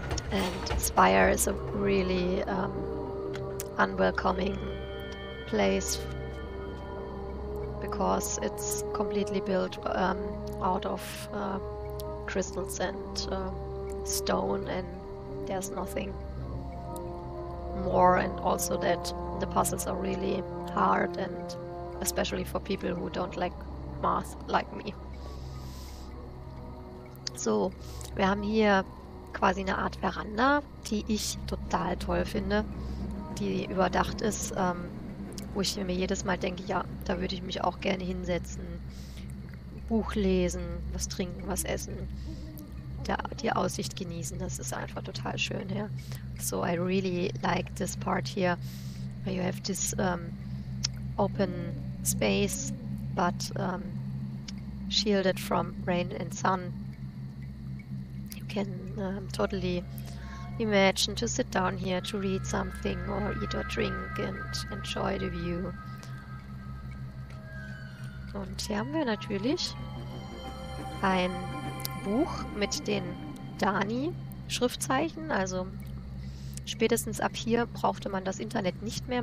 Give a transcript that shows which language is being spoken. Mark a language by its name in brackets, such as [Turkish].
[English] And Spire is a really unwelcoming place because it's completely built out of crystals and stone, and there's nothing more, and also that the puzzles are really hard, and especially for people who don't like math like me. [German] So, wir haben hier quasi eine Art Veranda, die ich total toll finde, die überdacht ist, wo ich mir jedes Mal denke, ja, da würde ich mich auch gerne hinsetzen, Buch lesen, was trinken, was essen, die Aussicht genießen, das ist einfach total schön hier. [English] So, I really like this part here, where you have this open space, but shielded from rain and sun. Can totally imagine to sit down here to read something or eat or drink and enjoy the view. [German] Und hier haben wir natürlich ein Buch mit den Dani-Schriftzeichen. Also spätestens ab hier brauchte man das Internet nicht mehr.